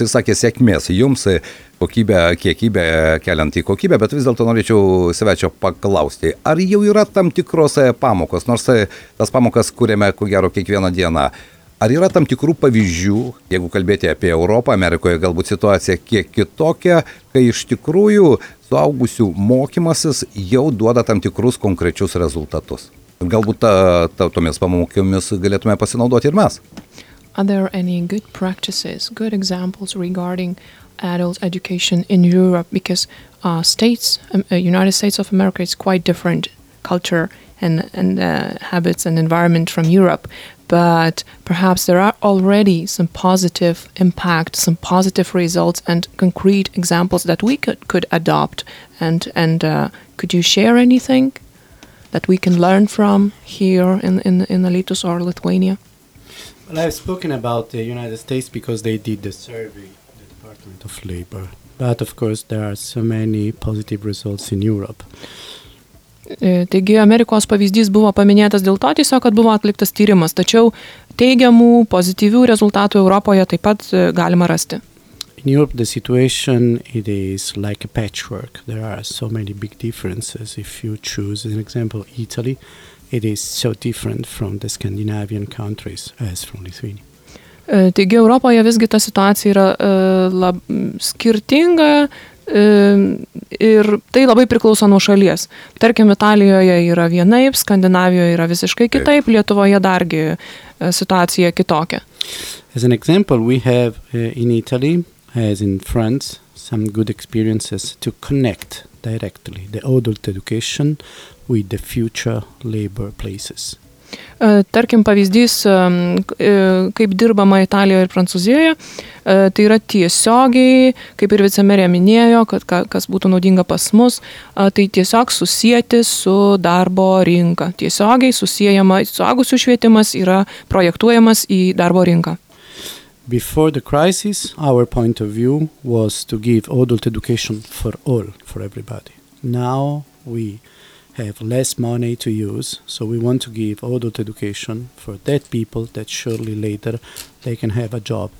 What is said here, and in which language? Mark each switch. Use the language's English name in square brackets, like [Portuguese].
[Lithuanian] Jis sakė sėkmės jums, kokybę, kiekybę, keliant į kokybę, bet vis dėlto norėčiau svečio paklausti, ar jau yra tam tikros pamokos, nors tas pamokas kuriame ko gero kiekvieną dieną, ar yra tam tikrų pavyzdžių, jeigu kalbėti apie Europą, Amerikoje galbūt situacija kiek kitokia, kai iš tikrųjų suaugusių mokymasis jau duoda tam tikrus konkrečius rezultatus. Galbūt tomis pamokymis galėtume pasinaudoti ir mes. [English] Are there any good practices, good examples regarding adult education in Europe, because states, United States of America is quite different culture and habits and environment from Europe, but perhaps there are already some positive impact, some positive results and concrete examples that we could adopt and could you share anything that we can learn from here in Alytus or Lithuania? Well, I've spoken about the United States because they did the survey, the Department of Department of Labor. But of course, there are so many positive results in Europe. [Lithuanian] Taigi, Amerikos pavyzdys buvo paminėtas dėl to, tiesiog, kad buvo atliktas tyrimas, tačiau teigiamų, pozityvių rezultatų Europoje taip pat galima rasti. [English] In Europe, the situation it is like a patchwork. There are so many big differences. If you choose, an example, Italy, it is so different from the Scandinavian countries as from Lithuania. [Lithuanian] Taigi, Europoje visgi ta situacija yra skirtinga ir tai labai priklauso nuo šalies. Tarkim, Italijoje yra vienaip, Skandinavijoje yra visiškai kitaip, Lietuvoje dargi situacija kitokia. [English] As an example, we have in Italy, as in France, some good experiences to connect directly the adult education with the future labor places. [Lithuanian] Tarkim, pavyzdys, kaip dirbama Italijoje ir Prancūzijoje, tai yra tiesiogiai, kaip ir vicemerė minėjo, kad kas būtų naudinga pas mus, tai tiesiog susieti su darbo rinka. Tiesiogiai susiejama, suagusių švietimas yra projektuojamas į darbo rinką. [English] Before the crisis, our point of view was to give adult education for all, for everybody. Now we have less money to use, so we want to give adult education for that people that surely later they can have a job.